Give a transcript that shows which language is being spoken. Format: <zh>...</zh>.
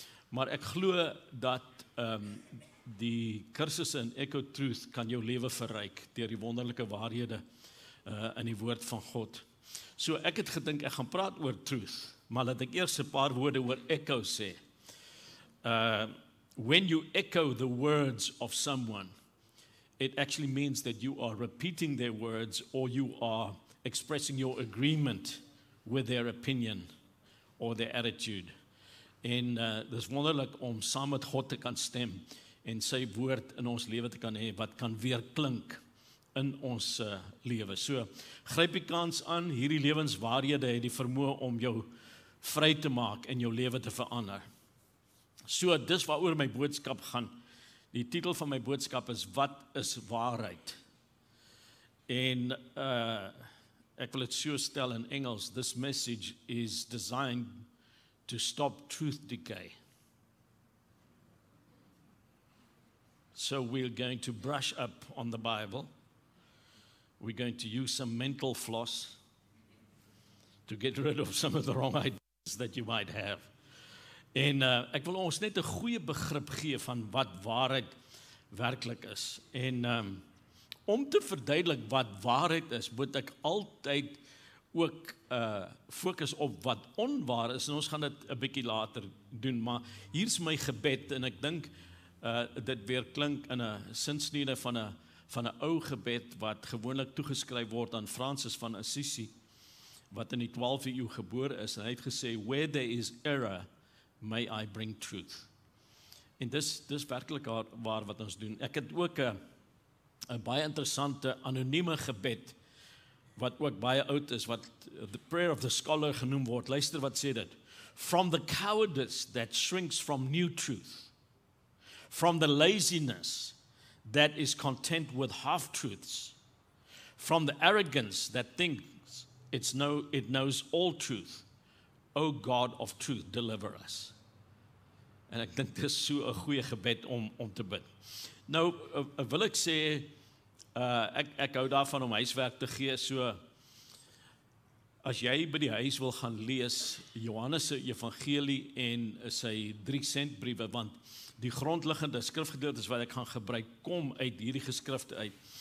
<af>Maar ek glo dat die kursusse in Echo Truth kan jou lewe verryk deur die wonderlike waarhede in die woord van God. So ek het gedink ek gaan praat oor truth, maar laat ek eers 'n paar woorde oor echo sê.</af> <en>When you echo the words of someone, it actually means that you are repeating their words or you are expressing your agreement with their opinion or their attitude.</en> <af>En dis wonderlik om saam met God te kan stem en sy woord in ons lewe te kan hê wat kan weerklink in ons lewe. So gryp die kans aan, hierdie lewenswaarhede het die vermoë om jou vry te maak en jou lewe te verander. So dis waaroor my boodskap gaan. Die titel van my boodskap is Wat is waarheid? En ek wil dit so stel in Engels,</af> <en>this message is designed to stop truth decay. So we're going to brush up on the Bible. We're going to use some mental floss to get rid of some of the wrong ideas that you might have.</en> <af>En ek wil ons net 'n goeie begrip gee van wat waarheid werklik is. En om te verduidelik wat waarheid is, moet ek altyd ook fokus op wat onwaar is. En ons gaan dit 'n bietjie later doen, maar hier's my gebed en ek dink dit weer klink in 'n sinsnede van 'n ou gebed wat gewoonlik toegeskryf word aan Francis van Assisi wat in die 12de eeu gebore is en hy het gesê</af> <en>where there is error may I bring truth.</en> <af>En dis werklik waar wat ons doen. Ek het ook 'n baie interessante anonieme gebed wat ook baie oud is wat</af> <en>the prayer of the scholar</en> <af>genoem word. Luister wat sê dit.</af> <en>From the cowardice that shrinks from new truth. From the laziness that is content with half truths, from the arrogance that thinks it knows all truth, O God of truth, deliver us.</en> <af>En ek dink dis so 'n goeie gebed om te bid. Nou wil ek sê, ek hou daarvan om huiswerk te gee. So as jy by die huis wil gaan lees Johannes se evangelie en sy 3-cent briewe, want die grondliggende skrifgedeeltes wat ek gaan gebruik, kom uit hierdie geskrifte uit.</af>